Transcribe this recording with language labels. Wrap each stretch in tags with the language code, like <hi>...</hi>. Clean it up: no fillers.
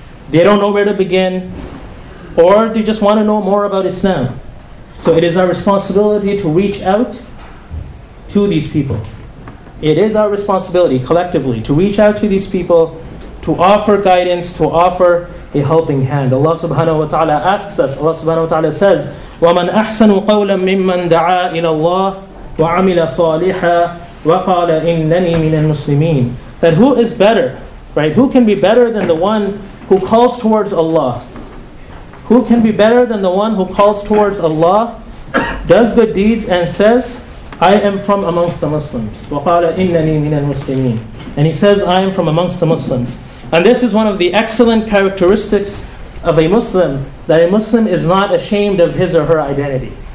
<en>They don't know where to begin, or they just want to know more about Islam. So it is our responsibility to reach out to these people. It is our responsibility, collectively, to reach out to these people, to offer guidance, to offer a helping hand. Allah subhanahu wa ta'ala asks us, Allah subhanahu wa ta'ala says,</en> <ar>وَمَنْ أَحْسَنُ قَوْلًا مِمَّنْ دَعَىٰ إِلَى اللَّهِ وَعَمِلَ صَالِحًا وَقَالَ إِنَّنِي مِنَ الْمُسْلِمِينَ.</ar> <en>That who is better, right? Who can be better than the one who calls towards Allah? Who can be better than the one who calls towards Allah, does good deeds, and says, I am from amongst the Muslims.</en> <ar>وَقَالَ إِنَّنِي مِنَ الْمُسْلِمِينَ.</ar> <en>And he says, I am from amongst the Muslims. And this is one of the excellent characteristics of a Muslim, that a Muslim is not ashamed of his or her identity.</en>